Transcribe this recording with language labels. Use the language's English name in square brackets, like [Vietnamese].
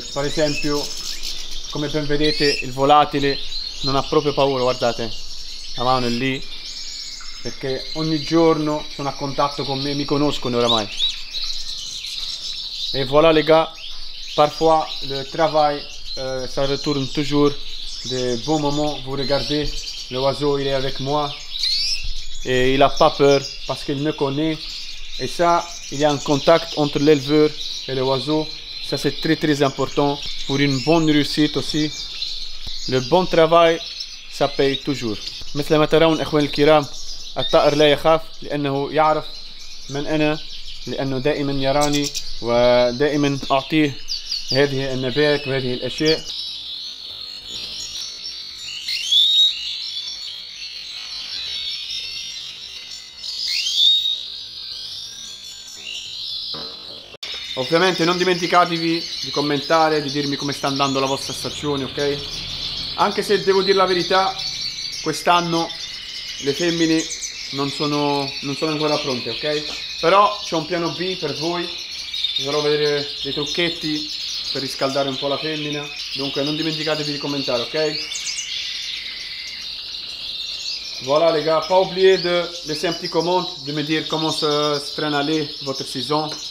[Italian] Per esempio, come ben vedete, il volatile non ha proprio paura, guardate, la mano è lì, perché ogni giorno sono a contatto con me, mi conoscono oramai. [French] E voilà les gars, parfois le travail ça retourne toujours de bon moment. Vous regardez, l'oiseau il est avec moi et il a pas peur parce qu'il me connaît. Et ça, il y a un contact entre l'éleveur et l'oiseau. Ça, c'est très très important pour une bonne réussite aussi. Le bon travail, ça paye toujours. Mesdames et messieurs, [Arabic] الطائر لا يخاف لأنه يعرف من أنا لأنه دائما يراني ودائما أعطيه هذه النبات وهذه الأشياء. [Italian] Ovviamente non dimenticatevi di commentare, di dirmi come sta andando la vostra stagione, ok? Anche se devo dire la verità, quest'anno le femmine non sono ancora pronte, ok? Però c'è un piano B per voi, dovrò vedere dei trucchetti per riscaldare un po' la femmina. Dunque non dimenticatevi di commentare, ok? [French] Voilà les gars, pas oublier de laisser un petit comment, de me dire comment se traîne aller votre saison.